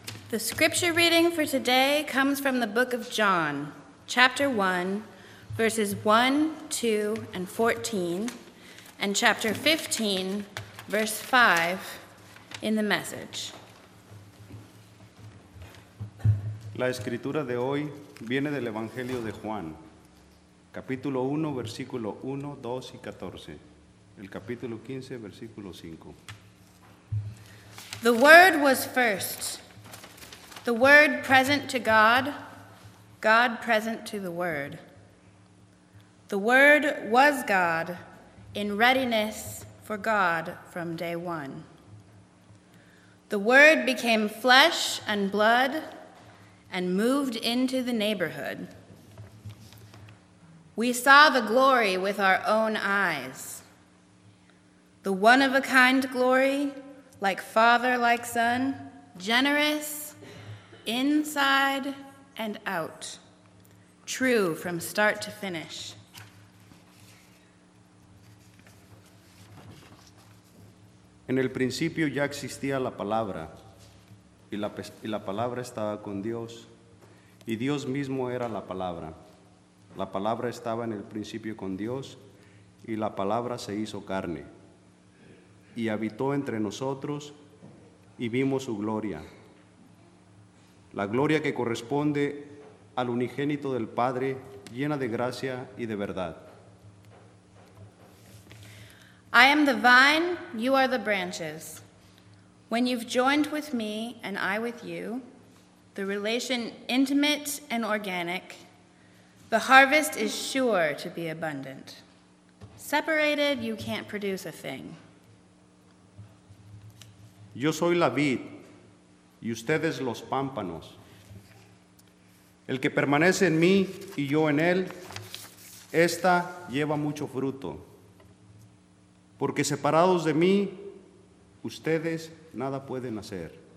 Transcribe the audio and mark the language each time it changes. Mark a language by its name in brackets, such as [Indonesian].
[English] The scripture reading for today comes from the book of John, chapter 1, verses 1, 2, and 14, and chapter 15, verse 5, in the Message. [Spanish] La escritura de hoy viene del Evangelio de Juan, capítulo 1, versículo 1, 2 y 14, el capítulo 15, versículo 5. [English] The word was first. The Word present to God, God present to the Word. The Word was God, in readiness for God from day one. The Word became flesh and blood and moved into the neighborhood. We saw the glory with our own eyes, the one-of-a-kind glory, like Father, like Son, generous, inside and out, true from start to finish. [Spanish] En el principio ya existía la palabra, y la palabra estaba con Dios, y Dios mismo era la palabra. La palabra estaba en el principio con Dios, y la palabra se hizo carne, y habitó entre nosotros, y vimos su gloria. La gloria que corresponde al unigénito del Padre, llena de gracia y de verdad. [English] I am the vine, you are the branches. When you've joined with me and I with you, the relation intimate and organic, the harvest is sure to be abundant. Separated, you can't produce a thing. [Spanish] Yo soy la vid y ustedes los pámpanos. El que permanece en mí y yo en él, esta lleva mucho fruto. Porque separados de mí, ustedes nada pueden hacer.